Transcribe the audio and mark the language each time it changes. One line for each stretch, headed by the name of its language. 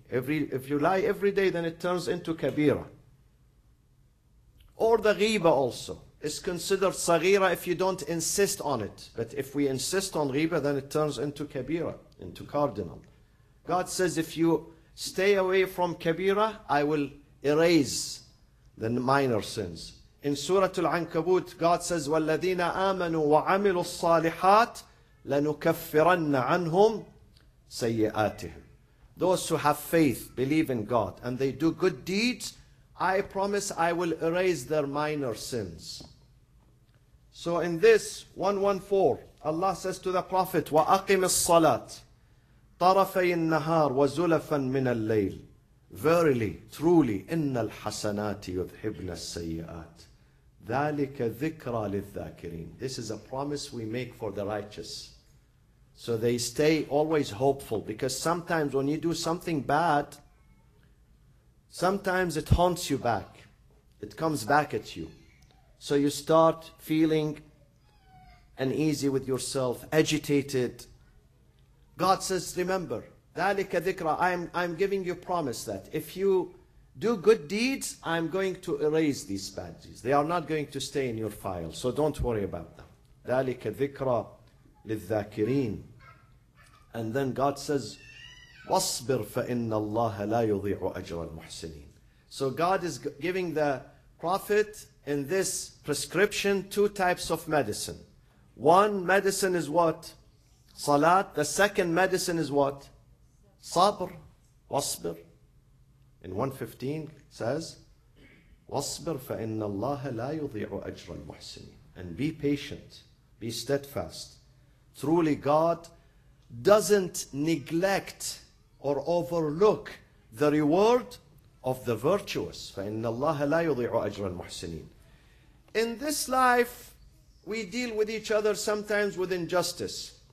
English: If you lie every day, then it turns into kabira. Or the ghiba also is considered sagira if you don't insist on it. But if we insist on ghiba, then it turns into kabira, into cardinal. God says if you stay away from kabira, I will erase the minor sins. In Surah Al-Ankabut, God says,
Arabic: وَالَّذِينَ آمَنُوا وَعَمِلُوا الصَّالِحَاتِ لَنُكَفِّرَنَّ عَنْهُمْ سَيِّئَاتِهِمْ.
English: Those who have faith, believe in God, and they do good deeds, I promise I will erase their minor sins. So in this 114, Allah says to the Prophet,
Arabic: وَأَقِمِ الصَّلَاةِ طَرَفَيِ النَّهَارِ وَزُلَفًا مِنَ اللَّيْلِ.
English: Verily, truly,
Arabic: إِنَّ الْحَسَنَاتِ يُذْهِبْنَ السَّيِّئَاتِ. ذَلِكَ ذِكْرَى لِلذَّاكِرِينَ.
English: This is a promise we make for the righteous. So they stay always hopeful, because sometimes when you do something bad, sometimes it haunts you back. It comes back at you. So you start feeling uneasy with yourself, agitated. God says, remember,
Arabic: ذَلِكَ ذِكْرَى.
English: I'm giving you promise that if you do good deeds, I'm going to erase these bad deeds. They are not going to stay in your file, so don't worry about them.
Arabic: ذَلِكَ ذِكْرَى لِلذَّاكِرِينَ.
English: And then God says,
Arabic: وَاصْبِرْ فَإِنَّ اللَّهَ لَا يُضِيعُ أَجْرَ الْمُحْسِنِينَ.
English: So God is giving the Prophet in this prescription two types of medicine. One medicine is what? Salat. The second medicine is what? Sabr. Wasbir. In 115 says, Wasbir
Arabic: فَإِنَّ اللَّهَ لَا يُضِيعُ أَجْرَ الْمُحْسِنِينَ.
English: And be patient, be steadfast. Truly God doesn't neglect or overlook the reward of the virtuous.
Arabic: فَإِنَّ اللَّهَ لَا يُضِيعُ أَجْرَ الْمُحْسِنِينَ.
English: In this life, we deal with each other sometimes with injustice.